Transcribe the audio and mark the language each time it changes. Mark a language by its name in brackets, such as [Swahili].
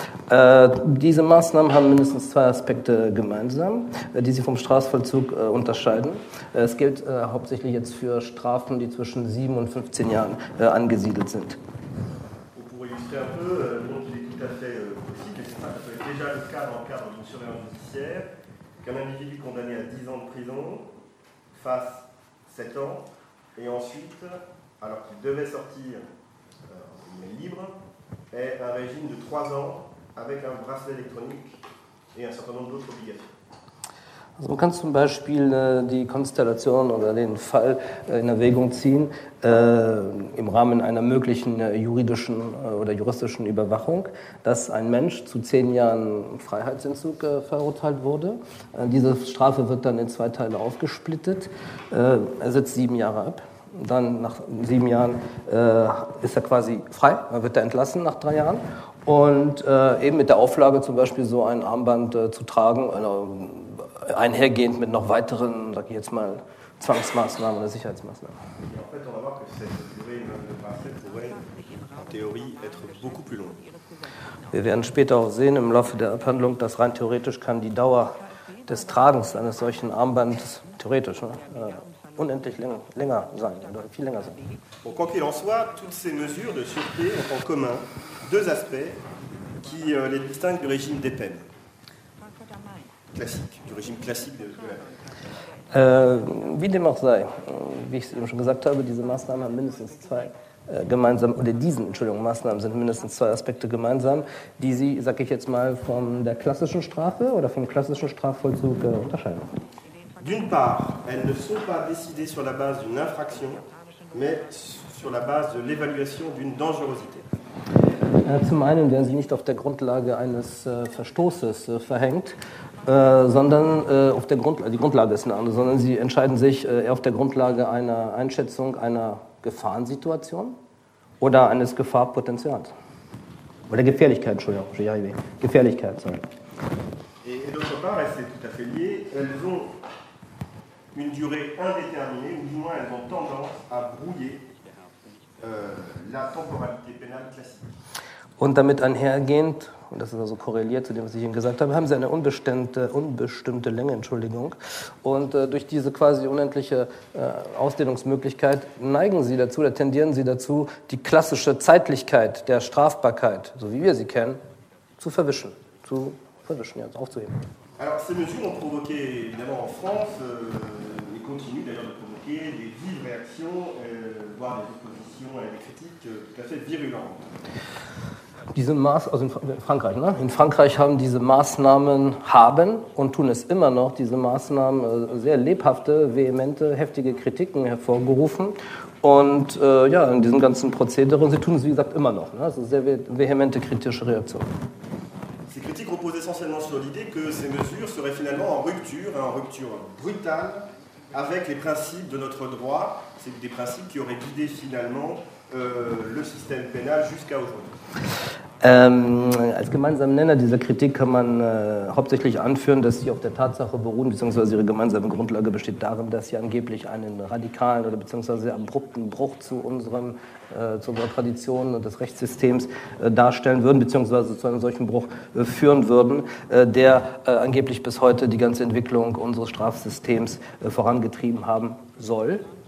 [German] Diese Maßnahmen haben mindestens zwei Aspekte gemeinsam, die sie vom Strafvollzug unterscheiden. Es gilt hauptsächlich jetzt für Strafen, die zwischen 7 und 15 Jahren angesiedelt sind. Um zu illustrieren, ein bisschen, das ist [French] tout à fait possible, [German] es ist [French] déjà le cas dans le cadre d'une surveillance judiciaire, qu'un individu condamné à 10 ans de prison fasse 7 ans et ensuite, alors qu'il devait sortir libre, ait un régime de 3 ans. Avec un bracelet électronique et un certain nombre d'autres obligations. [German] Also man kann zum Beispiel die Konstellation oder den Fall in Erwägung ziehen, im Rahmen einer möglichen juridischen oder juristischen Überwachung, dass ein Mensch zu 10 Jahren Freiheitsentzug verurteilt wurde. Diese Strafe wird dann in zwei Teile aufgesplittet. Er sitzt 7 Jahre ab. Dann nach 7 Jahren ist er quasi frei, er wird entlassen nach 3 Jahren. Und eben mit der Auflage zum Beispiel so ein Armband zu tragen, einhergehend mit noch weiteren, sag ich jetzt mal, Zwangsmaßnahmen oder Sicherheitsmaßnahmen. [French] En fait, on va voir que cette durée de bracelet pourrait en théorie être beaucoup plus longue. [German] Wir werden später auch sehen im Laufe der Abhandlung, dass rein theoretisch kann die Dauer des Tragens eines solchen Armbands theoretisch unendlich länger sein, oder viel länger sein. [French] Bon, quoi qu'il en soit, toutes ces mesures de sûreté ont en commun deux aspects qui les distinguent du régime des peines classique, du régime classique de la peine. [German] Wie dem auch sei, wie ich es eben schon gesagt habe, diese Maßnahmen haben mindestens zwei gemeinsam, oder diesen, Entschuldigung, Maßnahmen sind mindestens zwei Aspekte gemeinsam, die Sie, sag ich jetzt mal, von der klassischen Strafe oder vom klassischen Strafvollzug unterscheiden. [French] D'une part, elles ne sont pas décidées sur la base d'une infraction, mais sur la base de l'évaluation d'une dangerosité. [German] Zum einen werden sie nicht auf der Grundlage eines Verstoßes verhängt, sondern auf der Grundlage, die Grundlage ist eine andere, sondern sie entscheiden sich eher auf der Grundlage einer Einschätzung einer Gefahrensituation oder eines Gefahrpotenzials. Oder Gefährlichkeit, Entschuldigung, [French] j'y arrive. [German] Gefährlichkeit, sorry. [French] Et d'autre part, et c'est tout à fait lié, elles ont une durée indéterminée, ou du moins elles ont tendance à brouiller la temporalité pénale classique. [German] Und damit einhergehend, und das ist also korreliert zu dem, was ich Ihnen gesagt habe, haben Sie eine unbestimmte Länge, Entschuldigung. Und durch diese quasi unendliche Ausdehnungsmöglichkeit neigen Sie dazu, oder tendieren Sie dazu, die klassische Zeitlichkeit der Strafbarkeit, so wie wir sie kennen, zu verwischen, ja, aufzuheben. [French] Alors, ces mesures ont provoqué, évidemment, en France, et continuent d'ailleurs de provoquer, des vives réactions, voire des oppositions et des critiques tout à fait virulentes. [German] Diese In Frankreich haben diese Maßnahmen haben und tun es immer noch, diese Maßnahmen sehr lebhafte, vehemente, heftige Kritiken hervorgerufen. Und ja, in diesen ganzen Prozedere, sie tun es wie gesagt immer noch. Ne? Das ist eine sehr vehemente kritische Reaktion. [French] Ces critiques reposent essentiellement sur l'idée que ces mesures seraient finalement en rupture brutale avec les principes de notre droit, c'est des principes qui auraient guidé finalement le système pénal jusqu'à aujourd'hui. [German] Als gemeinsamen Nenner dieser Kritik kann man hauptsächlich anführen, dass sie auf der Tatsache beruhen, beziehungsweise ihre gemeinsame Grundlage besteht darin, dass sie angeblich einen radikalen oder beziehungsweise sehr abrupten Bruch zu unserer Tradition und des Rechtssystems darstellen würden, beziehungsweise zu einem solchen Bruch führen würden, der angeblich bis heute die ganze Entwicklung unseres Strafsystems vorangetrieben haben soll.